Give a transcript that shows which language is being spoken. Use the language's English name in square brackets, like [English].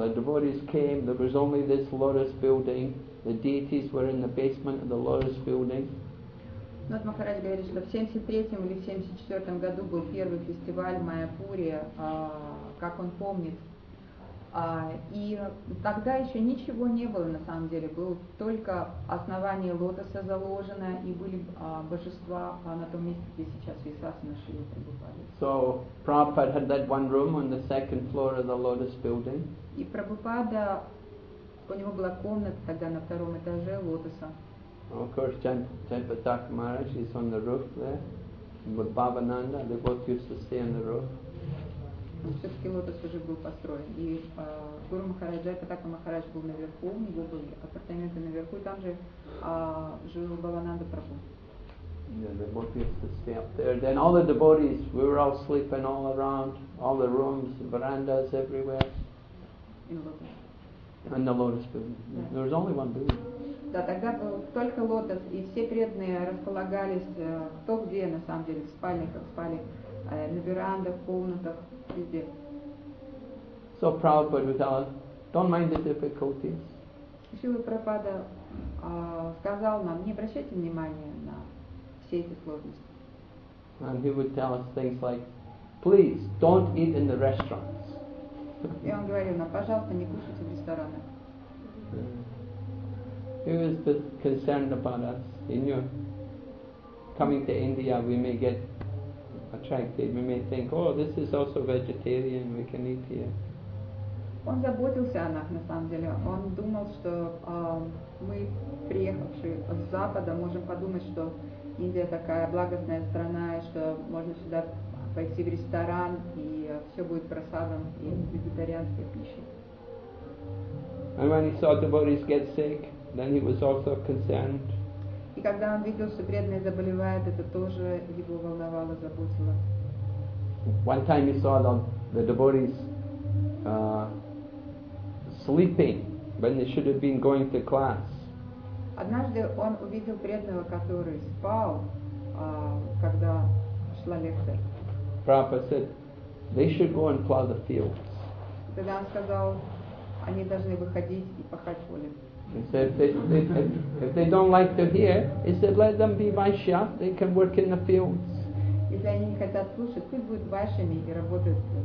[English] The devotees came, there was only this lotus building. The deities were in the basement of the lotus building. [Russian] Вот Махарадж говорит, что в 73-м или 74-м году был первый фестиваль в Майяпуре, как он помнит. И тогда еще ничего не было на самом деле, было только основание лотоса заложено, и были божества на том месте, где сейчас Висасана Шрила Прабхупада. [English] So, Prabhupada had that one room on the second floor of the lotus building. [Russian] И Прабхупада, у него была комната тогда на втором этаже лотоса. [English] Of course, Jayapataka Maharaj is on the roof there. With Bhavananda, they both used to stay on the roof. [Russian] Все-таки лотос уже был построен. И Гуру Махарадж, Джайпатака Махарадж был наверху, у него были апартаменты наверху, и там же жил Бхавананда Прабху. [English] Yeah, they both used to stay up there. Then all the devotees, we were all sleeping all around, all the rooms, the verandas everywhere. In lotus. And the lotus building. There was only one building. [Russian] Да, тогда был только лотос, и все преданные располагались кто где, на самом деле, в спальниках, спали на верандах, в комнатах, везде. [English] So Prabhupada would tell us, don't mind the difficulties. [Russian] Шрила Прабхупада сказал нам, не обращайте внимания на все эти сложности. [English] And he would tell us things like, please, don't eat in the restaurants. [Russian] И он говорил нам, пожалуйста, не кушайте в ресторанах. [English] He was concerned about us. He knew coming to India we may get attracted. We may think, oh, this is also vegetarian, we can eat here. [Russian] Он заботился о нас на самом деле. Он думал, что мы, приехавшие с Запада, можем подумать, что Индия такая благостная страна, и что можно сюда пойти в ресторан, и все будет просадом и вегетарианской пищей. [English] And when he saw the bodies get sick, then he was also concerned. [Russian] И когда он видел, что преданные заболевают, это тоже его волновало, заботило. [English] One time he saw the devotees sleeping when they should have been going to class. [Russian] Однажды он увидел преданного, который спал, когда шла лекция. [English] Prabhupada said, they should go and plow the fields. [Russian] Тогда он сказал, они должны выходить и пахать поле. [English] He said, if they don't like to hear, he said, let them be Vaishya, they can work in the fields. [Russian] Если они не хотят слушать, пусть будут Вайшьями и работают.